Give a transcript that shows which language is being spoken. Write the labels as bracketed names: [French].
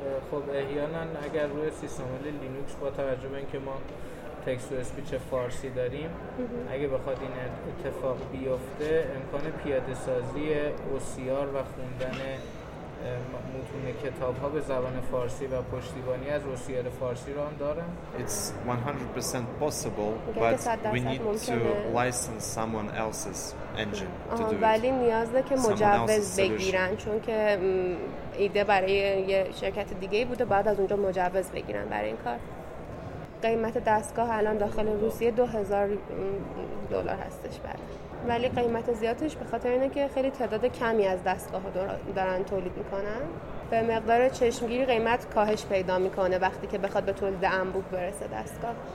[Persian] خب احیانا اگر روی سیستم عامل لینوکس با توجه به اینکه ما تکست تو اسپیچ فارسی داریم، اگه بخواد این اتفاق بیفته، امکان پیاده سازی OCR و خوندن متون کتاب‌ها به زبان فارسی و پشتیبانی از OCR فارسی رو هم دارن؟ [English] It's 100% possible but we need to license someone else's engine to do it. [Persian] ولی نیازه که مجوز بگیرن، چون که ایده برای یه شرکت دیگه بوده، بعد از اونجا مجوز بگیرن برای این کار. قیمت دستگاه الان داخل روسیه 2000 دلار هستش بعد، ولی قیمت زیادش به خاطر اینه که خیلی تعداد کمی از دستگاه دارن تولید میکنن، به مقدار چشمگیری قیمت کاهش پیدا میکنه وقتی که بخواد به تولید انبوه برسه دستگاه.